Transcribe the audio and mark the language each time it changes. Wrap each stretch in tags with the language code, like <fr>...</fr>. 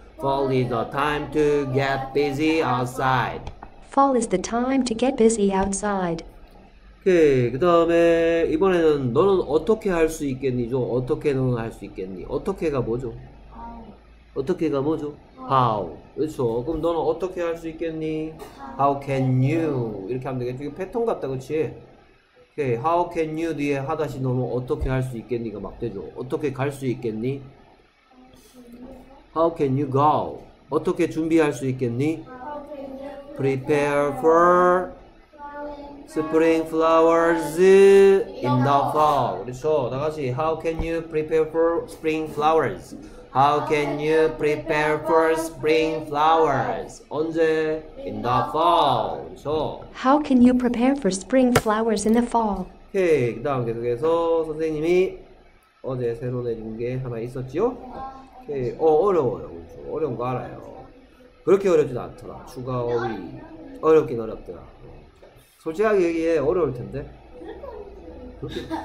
<en>Fall is the time to get busy outside. Fall is the time to get busy outside.</en> <ko>오케이. 그 다음에 이번에는 너는 어떻게 할수 있겠니죠? 어떻게 너는 할수 있겠니? 어떻게가 뭐죠? 어떻게가 뭐죠? How. 그렇죠. 그럼 너는 어떻게 할수 있겠니?</ko> <en>How can you?</en> <ko>이렇게 하면 되겠죠. 이거 패턴 같다, 그치? 오케이. How can you 뒤에 하다시 너는 어떻게 할수 있겠니가 막대죠. 어떻게 갈수 있겠니?</ko> <en>How can you go?</en> <ko>어떻게 준비할 수 있겠니?</ko> <en>Prepare for spring flowers in the fall.</en> <ko>그렇죠. 다 같이.</ko> <en>How can you prepare for spring flowers? How can you prepare for spring flowers?</en> <ko>언제?</ko> <en>In the fall.</en> <ko>그렇죠.</ko> <en>How can you prepare for spring flowers in the fall?</en> <ko>오케이. 그 다음 계속해서 선생님이 어제 새로 내준 게 하나 있었지요? 오케이. 어려워요. 그렇죠. 어려운 거 알아요. 그렇게 어렵진 않더라. 추가 어휘. 어렵긴 어렵더라. 솔직하게 얘기해. 어려울 텐데. 그렇게.</ko>